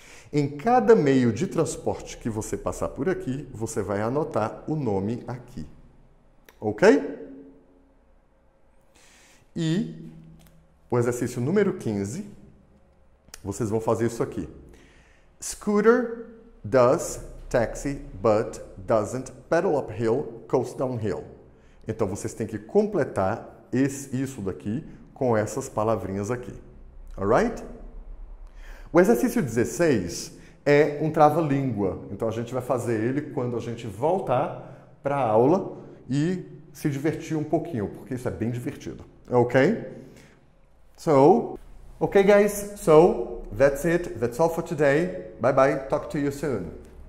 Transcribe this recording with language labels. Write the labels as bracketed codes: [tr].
[pt] Em cada meio de transporte que você passar por aqui, você vai anotar o nome aqui. Ok? E o exercício número 15, vocês vão fazer isso aqui. [en] Scooter does taxi, but doesn't pedal uphill, coast downhill. [pt] Então vocês têm que completar isso daqui com essas palavrinhas aqui. Alright? O exercício 16 é um trava-língua. Então a gente vai fazer ele quando a gente voltar para a aula e se divertir um pouquinho, porque isso é bem divertido. [en] Okay, guys, so that's it. That's all for today. Bye bye. Talk to you soon.